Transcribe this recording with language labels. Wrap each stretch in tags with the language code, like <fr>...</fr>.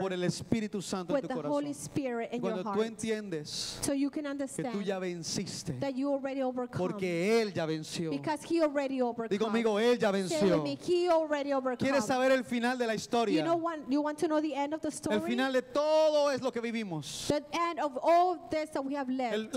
<es>Por el Espíritu Santo</es> <en>with</en> <es>en tu corazón.</es> <en>With the Holy Spirit in</en> <es>cuando</es> <en>your heart.</en> <es>Cuando tú entiendes.</es> <en>So you can understand.</en> <es>Que tú ya venciste.</es> <en>That you already overcome.</en> <es>Porque él ya venció.</es> <en>Because he already overcome.</en> <es>Digo amigo, él ya venció.</es> <en>Already overcome.</en> <es>¿Quieres saber el final de la historia?</es> <en>You know what, you want to know the end of the story?</en> <es>El final de todo es lo que vivimos.</es> <en>The end of all this that we have lived.</en>